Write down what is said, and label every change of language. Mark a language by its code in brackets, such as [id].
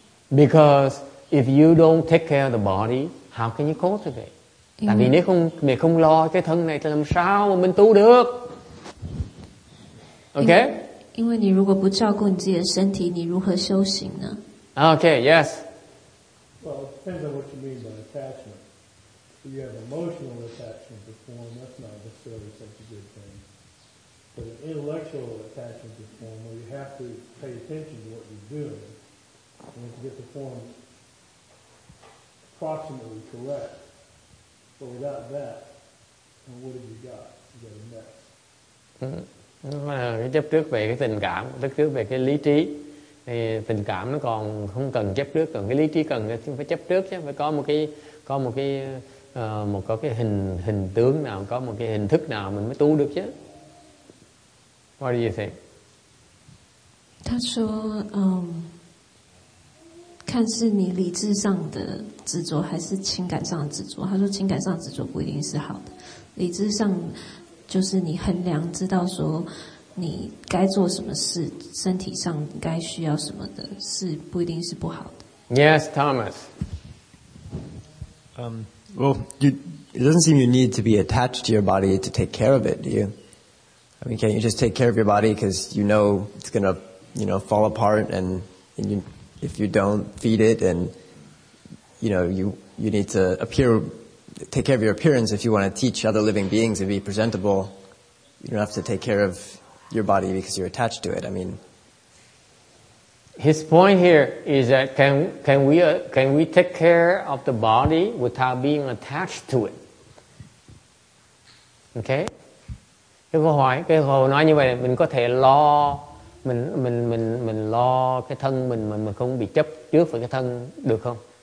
[en] Because if you don't take care of the body, how can you cultivate? [vi] Tại vì nếu không mình không lo cái thân này thì làm sao mà mình tu được? [en] Okay? [zh] 因为你如果不照顾你自己的身体，你如何修行呢？ [en] Okay, yes. Well, it depends on what you mean by attachment. If you have emotional attachment to form, that's not necessarily such a good thing. But an intellectual attachment to form, where you have to pay attention to what you're doing, and if you get the form approximately correct, but without that, then what have you got? You got a mess. [vi] Cái chấp trước về cái tình cảm, chấp trước về cái lý trí. Thì tình cảm nó còn không cần chấp trước, còn cái lý trí cần thì phải chấp trước chứ, phải có một cái hình tướng nào, có một cái hình thức nào mình mới tu được chứ. [en] What do you think? [zh] 他说, 看是你理智上的执着还是情感上的执着, 他说情感上的执着不一定是好的, 理智上就是你衡量知道说, 你该做什么事，身体上该需要什么的事，不一定是不好的。 [en] Yes, Thomas. It doesn't seem you need to be attached to your body to take care of it, do you? I mean, can't you just take care of your body because you know it's gonna, you know, fall apart, and you, if you don't feed it, and you know you need to take care of your appearance if you want to teach other living beings and be presentable. You don't have to take care of your body because you're attached to it. I mean, his point here is that can we take care of the body without being attached to it? Okay. [vi] Cái câu hỏi nói như vậy, mình có thể lo mình lo cái thân mình mà mình không bị chấp trước vào cái thân được không?